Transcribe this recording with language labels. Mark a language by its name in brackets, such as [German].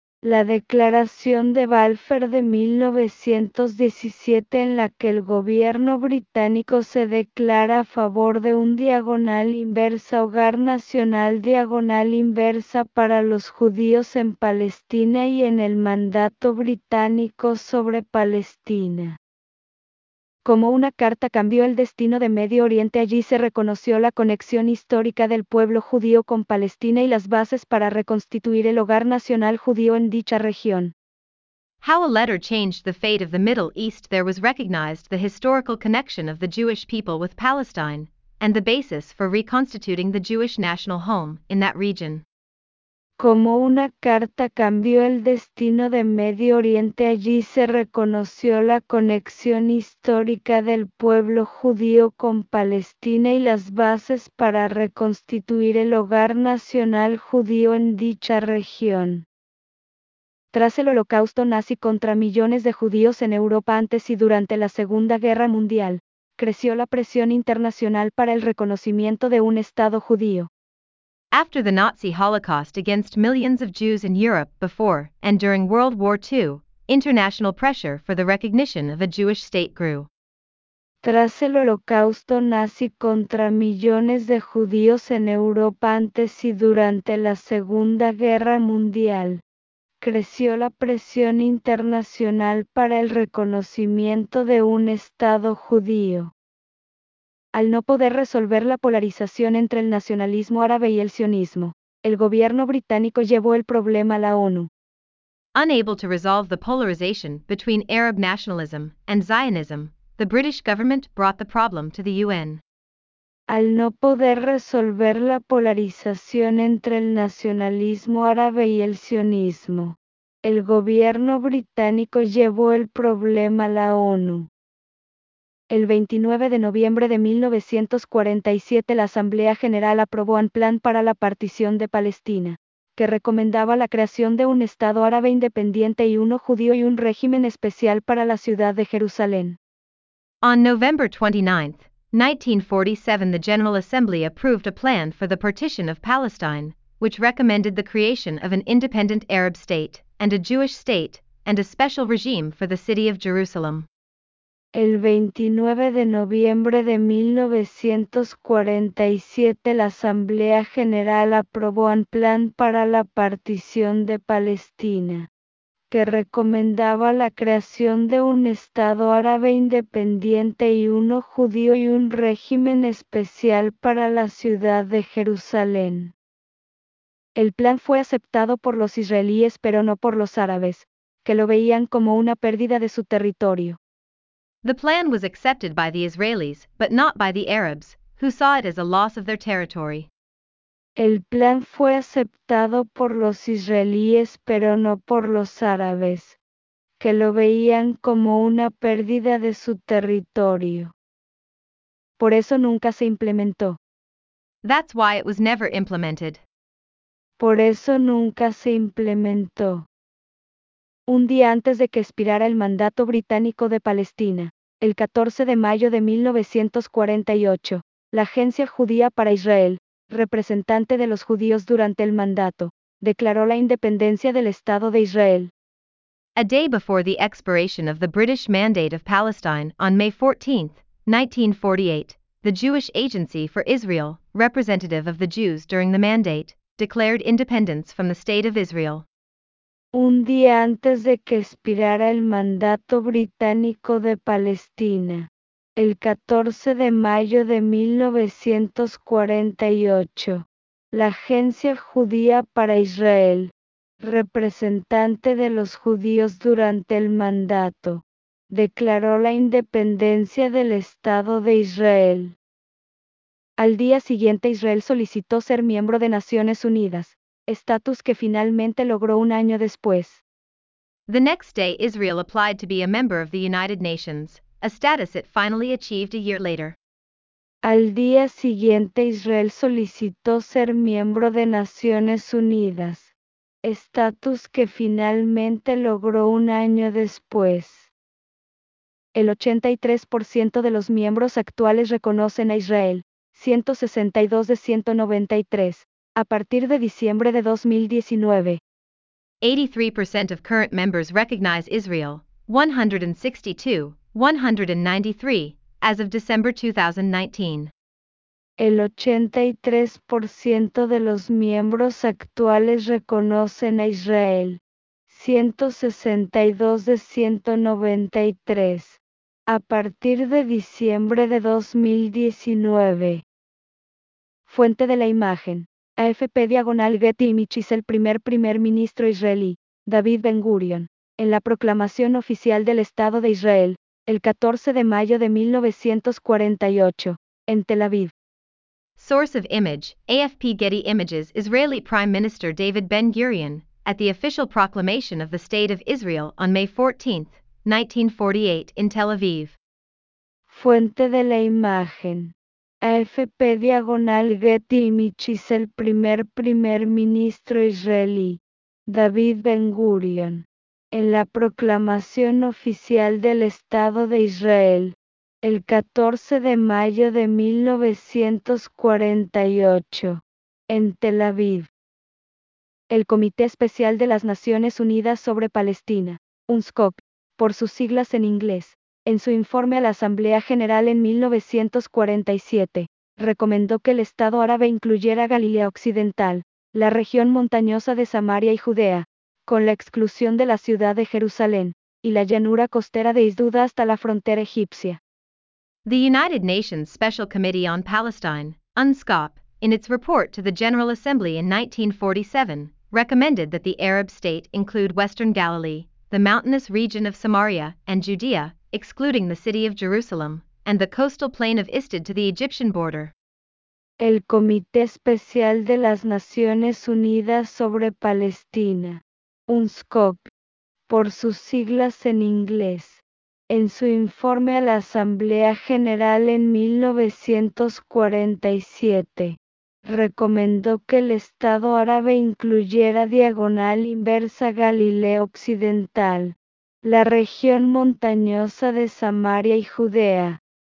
[Spanish] La Declaración de Balfour de 1917 en la que el gobierno británico se declara a favor de un diagonal inversa hogar nacional diagonal inversa para los judíos en Palestina y en el mandato británico sobre Palestina. Como una carta cambió el destino de Medio Oriente, allí se reconoció la conexión histórica del pueblo judío con Palestina y las bases para reconstituir el hogar nacional judío en dicha región. [English] How a letter changed the fate of the Middle East. There was recognized the historical connection of the Jewish people with Palestine, and the basis for reconstituting the Jewish national home in that region. [Spanish] Como una carta cambió el destino de Medio Oriente, allí se reconoció la conexión histórica del pueblo judío con Palestina y las bases para reconstituir el hogar nacional judío en dicha región. Tras el Holocausto nazi contra millones de judíos en Europa antes y durante la Segunda Guerra Mundial, creció la presión internacional para el reconocimiento de un Estado judío. [English] After the Nazi Holocaust against millions of Jews in Europe before and during World War II, international pressure for the recognition of a Jewish state grew. [Spanish] Tras el holocausto nazi contra millones de judíos en Europa antes y durante la Segunda Guerra Mundial, creció la presión internacional para el reconocimiento de un Estado judío. Al no poder resolver la polarización entre el nacionalismo árabe y el sionismo, el gobierno británico llevó el problema a la ONU. [English] Unable to resolve the polarization between Arab nationalism and Zionism, the British government brought the problem to the UN. [Spanish] Al no poder resolver la polarización entre el nacionalismo árabe y el sionismo, el gobierno británico llevó el problema a la ONU. El 29 de noviembre de 1947 la Asamblea General aprobó un plan para la partición de Palestina, que recomendaba la creación de un Estado árabe independiente y uno judío y un régimen especial para la ciudad de Jerusalén. [English] On November 29, 1947, the General Assembly approved a plan for the partition of Palestine, which recommended the creation of an independent Arab state, and a Jewish state, and a special regime for the city of Jerusalem. [Spanish] El 29 de noviembre de 1947 la Asamblea General aprobó un plan para la partición de Palestina, que recomendaba la creación de un Estado árabe independiente y uno judío y un régimen especial para la ciudad de Jerusalén. El plan fue aceptado por los israelíes pero no por los árabes, que lo veían como una pérdida de su territorio. [English] The plan was accepted by the Israelis, but not by the Arabs, who saw it as a loss of their territory. [Spanish] El plan fue aceptado por los israelíes, pero no por los árabes, que lo veían como una pérdida de su territorio. Por eso nunca se implementó. [English] That's why it was never implemented. [Spanish] Por eso nunca se implementó. Un día antes de que expirara el mandato británico de Palestina, el 14 de mayo de 1948, la Agencia Judía para Israel, representante de los judíos durante el mandato, declaró la independencia del Estado de Israel. [English] A day before the expiration of the British Mandate of Palestine on May 14, 1948, the Jewish Agency for Israel, representative of the Jews during the mandate, declared independence from the State of Israel. [Spanish] Un día antes de que expirara el mandato británico de Palestina, el 14 de mayo de 1948, la Agencia Judía para Israel, representante de los judíos durante el mandato, declaró la independencia del Estado de Israel. Al día siguiente, Israel solicitó ser miembro de Naciones Unidas. Estatus que finalmente logró un año después. [English] The next day Israel applied to be a member of the United Nations, a status it finally achieved a year later. [Spanish] Al día siguiente Israel solicitó ser miembro de Naciones Unidas. Estatus que finalmente logró un año después. El 83% de los miembros actuales reconocen a Israel, 162 de 193. A partir de diciembre de 2019, [English] 83% of current members recognize Israel, 162, 193, as of December 2019. [Spanish] El 83% de los miembros actuales reconocen a Israel, 162 de 193, a partir de diciembre de 2019. Fuente de la imagen. AFP / Getty Images. El primer ministro israelí, David Ben-Gurion, en la proclamación oficial del Estado de Israel, el 14 de mayo de 1948, en Tel Aviv. [English] Source of image, AFP Getty Images. Israeli Prime Minister David Ben-Gurion, at the official proclamation of the State of Israel on May 14, 1948, in Tel Aviv. [Spanish] Fuente de la imagen. AFP / Getty Images. El primer ministro israelí, David Ben-Gurion, en la proclamación oficial del Estado de Israel, el 14 de mayo de 1948, en Tel Aviv. El Comité Especial de las Naciones Unidas sobre Palestina, UNSCOP, por sus siglas en inglés, en su informe a la Asamblea General en 1947, recomendó que el Estado árabe incluyera Galilea Occidental, la región montañosa de Samaria y Judea, con la exclusión de la ciudad de Jerusalén, y la llanura costera de Isduda hasta la frontera egipcia. [English] The United Nations Special Committee on Palestine, UNSCOP, in its report to the General Assembly in 1947, recommended that the Arab state include Western Galilee, the mountainous region of Samaria and Judea, excluding the city of Jerusalem, and the coastal plain of Isdud to the Egyptian border. [Spanish] El Comité Especial de las Naciones Unidas sobre Palestina, UNSCOP, por sus siglas en inglés, en su informe a la Asamblea General en 1947, recomendó que el Estado árabe incluyera diagonal inversa Galilea Occidental, la región montañosa de Samaria y Judea,